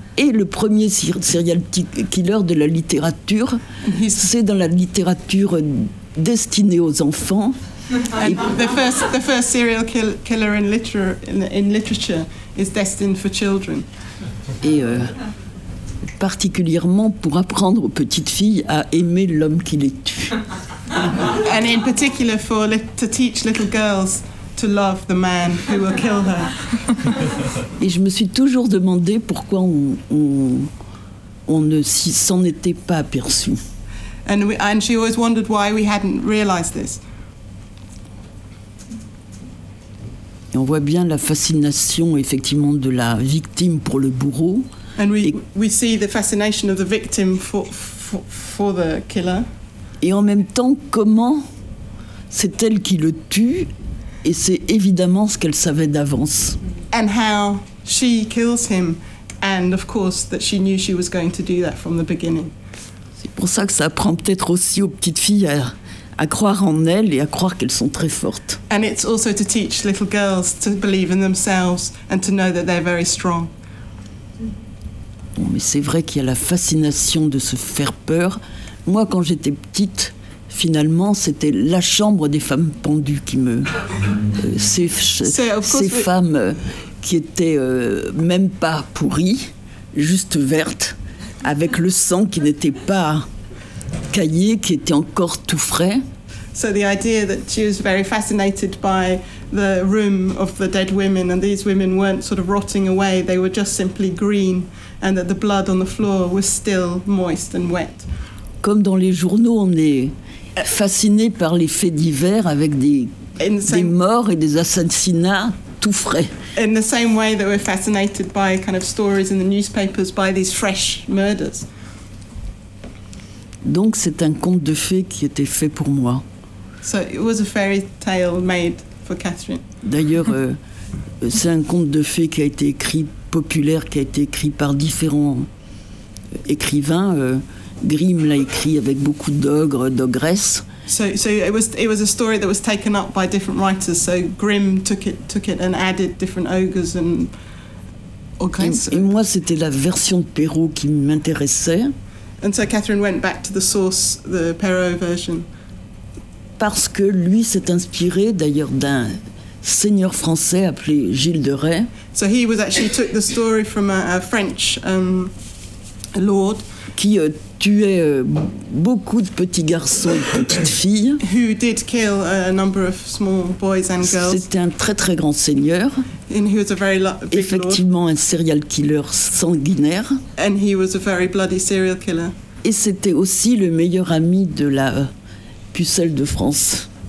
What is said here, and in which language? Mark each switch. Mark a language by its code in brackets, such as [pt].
[fr] Et le premier serial killer de la littérature, c'est dans la littérature. Destiné aux enfants. [en] The first serial killer in literature is destined for children. [fr] Et particulièrement pour apprendre aux petites filles à aimer l'homme qui les tue. [en] And in particular for to teach little girls to love the man who will kill her. [fr] Et je me suis toujours demandé pourquoi on ne s'en était pas aperçu. [en] And she always wondered why we hadn't realized this. [fr] Et on voit bien la fascination, effectivement, de la victime pour le bourreau. [en] And we see the fascination of the victim for the killer. [fr] Et en même temps, comment c'est elle qui le tue, et c'est évidemment ce qu'elle savait d'avance. [en] And how she kills him, and of course that she knew she was going to do that from the beginning. [fr] C'est pour ça que ça apprend peut-être aussi aux petites filles à croire en elles et à croire qu'elles sont très fortes. [en] And it's also to teach little girls to believe in themselves and to know that they're very strong. [fr] Bon, mais c'est vrai qu'il y a la fascination de se faire peur. Moi, quand j'étais petite, finalement, c'était la chambre des femmes pendues qui me... ces femmes qui étaient même pas pourries, juste vertes. Avec le sang qui n'était pas caillé, qui était encore tout frais. [en] So the idea that she was very fascinated by the room of the dead women, and these women weren't sort of rotting away, they were just simply green, and that the blood on the floor was still moist and wet. [fr] Comme dans les journaux, on est fasciné par les faits divers avec des morts et des assassinats. Tout frais. [en] In the same way that we're fascinated by kind of stories in the newspapers by these fresh murders. [fr] Donc c'est un conte de fées qui était fait pour moi. [en] So it was a fairy tale made for Catherine. [fr] D'ailleurs, c'est un conte de fées qui a été écrit populaire, qui a été écrit par différents écrivains. Grimm l'a écrit avec beaucoup d'ogres, d'ogresses. [en] So it was a story that was taken up by different writers. So Grimm took it and added different ogres and all kinds. [fr] Et moi, c'était la version de Perrault qui m'intéressait. [en] And so Catherine went back to the source, the Perrault version. [fr] Parce que lui s'est inspiré d'ailleurs d'un seigneur français appelé Gilles de Rais. [en] So he was actually took the story from a French lord [fr] qui tuait beaucoup de petits garçons et petites filles. [en] Who did kill a number of small boys and girls. [fr] C'était un très très grand seigneur. [en] And he was a very big [fr] effectivement [en] lord. [fr] Un serial killer sanguinaire. [en] And he was a very bloody serial killer. [fr] Et c'était aussi le meilleur ami de la pucelle de France.